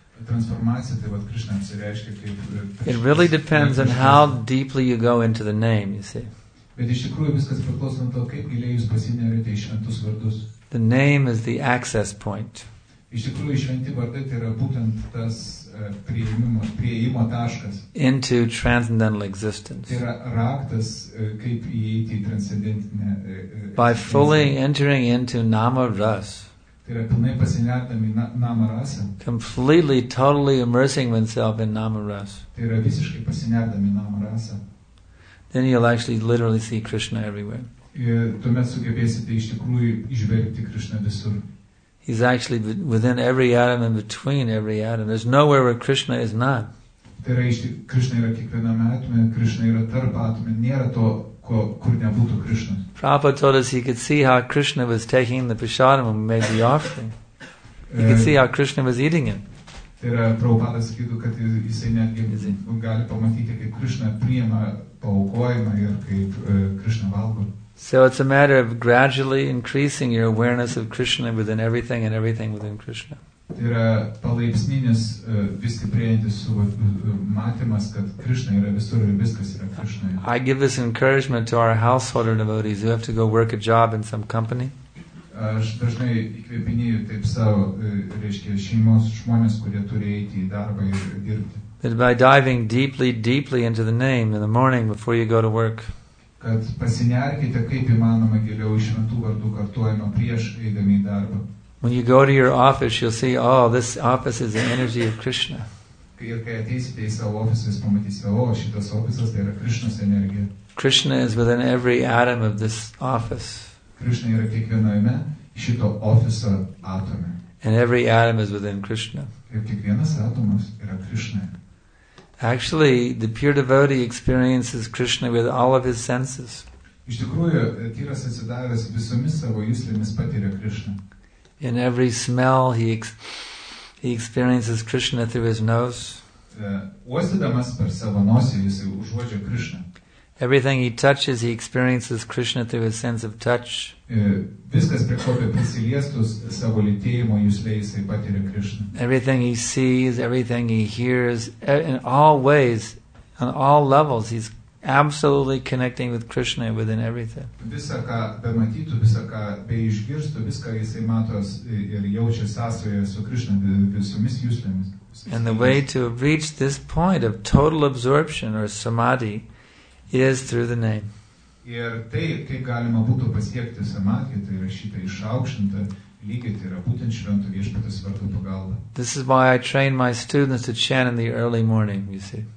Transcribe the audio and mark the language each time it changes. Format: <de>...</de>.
<en>It really depends on how deeply you go into the name, you see.</en> <lt>Bet iš tikrųjų viskas priklauso nuo to, kaip giliai jūs pasineriate į šventus vardus.</lt> <en>The name is the access point.</en> <lt>Iš tikrųjų, šventi vardai tai yra būtent tas priėjimo taškas.</lt> <en>Into transcendental existence.</en> <lt>Tai yra raktas, kaip įeiti į transcendentinę.</lt> <en>By fully entering into nama ras.</en> <lt>Tai yra pilnai pasinertami nama rasą.</lt> <en>Completely, totally immersing oneself in nama ras.</en> <lt>Tai yra visiškai pasinertami nama rasą.</lt> <en>Then you'll actually literally see Krishna everywhere.</en> <lt>Tuomet sugebėsite iš tikrųjų išvelgti Krishna visur.</lt> <en>He's actually within every atom and between every atom. There's nowhere where Krishna is not.</en> <lt>Tai yra, Krishna yra kiekviename atome, Krishna yra tarp atome. Nėra to, kur nebūtų Krishna.</lt> <en>Prabhupada told us he could see how Krishna was taking the prasadam when we made the offering. He could see how Krishna was eating it.</en> <lt>Tai yra, Prabhupada sakytų, kad jisai netgi gali pamatyti, kaip Krishna priima paukojimą ir kaip Krishna valgo.</lt> <en>So it's a matter of gradually increasing your awareness of Krishna within everything and everything within Krishna.</en> <lt>Tai yra palaipsninis vis stiprėjantis matymas, kad Krishna yra visur ir viskas yra Krishna.</lt> <en>I give this encouragement to our householder devotees who have to go work a job in some company.</en> <lt>Aš dažnai įkvėpinėju taip savo, reiškia, šeimos žmonės, kurie turi eiti į darbą ir dirbti.</lt> <en>That by diving deeply into the name in the morning before you go to work.</en> <lt>kad pasinerkite kaip įmanoma giliau iš šventų vardų kartuojimą prieš eidami į darbą.</lt> <en>When you go to your office, you'll see, oh, this office is the energy of Krishna. Krishna is within every atom of this office.</en> <lt>Krishna yra kiekviename šito ofiso atome.</lt> <en>And every atom is within Krishna.</en> <lt>Ir kiekvienas atomas yra Krishna.</lt> <en>Actually, the pure devotee experiences Krishna with all of his senses.</en> <lt>Iš tikrųjų, tyras atsidavęs visomis savo juslėmis patiria Krishna.</lt> <en>In every smell, he experiences Krishna through his nose.</en> <lt>Uostydamas per savo nosį, jis užuodžia Krishna.</lt> <en>Everything he touches, he experiences Krishna through his sense of touch.</en> <lt>Viskas prie ko prisiliestus savo lytėjimo juslė, jisai patiria Krishna.</lt> <en>Everything he sees, everything he hears, in all ways, on all levels, he's absolutely connecting with Krishna within everything.</en> <lt>Visa ką bematytų, visa ką beišgirstų, viską jisai mato ir jaučia sąsoje su Krishna visomis juslėmis.</lt> <en>And the way to reach this point of total absorption or samadhi is through the name.</en> <lt>Ir tai, kaip galima būtų pasiekti samadhi, tai yra šita išaukštinta lygiai, tai yra būtent švento viešpatės vardo pagalba.</lt> <en>This is why I train my students to chant in the early morning, you see.</en>